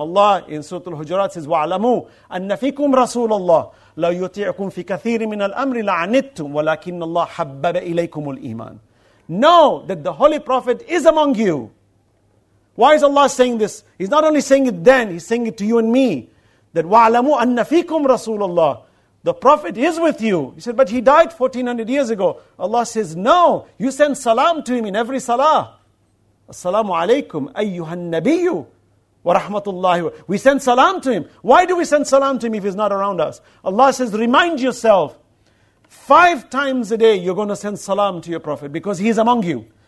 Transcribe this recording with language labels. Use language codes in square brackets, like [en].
[en] Allah in Surah Al-Hujurat says, [ar] وَعْلَمُوا أَنَّ فِيكُمْ رَسُولَ اللَّهِ لَوْ يُطِعْكُمْ فِي كَثِيرٍ مِنَ الْأَمْرِ لَعَنِتُّمْ وَلَكِنَّ اللَّهَ حَبَّبَ إِلَيْكُمُ الْإِيمَانِ. [en] Know that the Holy Prophet is among you. Why is Allah saying this? He's not only saying it then, He's saying it to you and me. [ar] That وَعْلَمُوا أَنَّ فِيكُمْ رَسُولَ اللَّهِ. [en] The Prophet is with you. He said, but he died 1400 years ago. Allah says, no, you send salam to him in every salah. [ar] As-salamu alaykum ayyuhan nabiyyu wa rahmatullahi. [en] We send salam to him. Why do we send salam to him if he's not around us? Allah says, remind yourself. 5 times a day you're going to send salam to your Prophet because he's among you.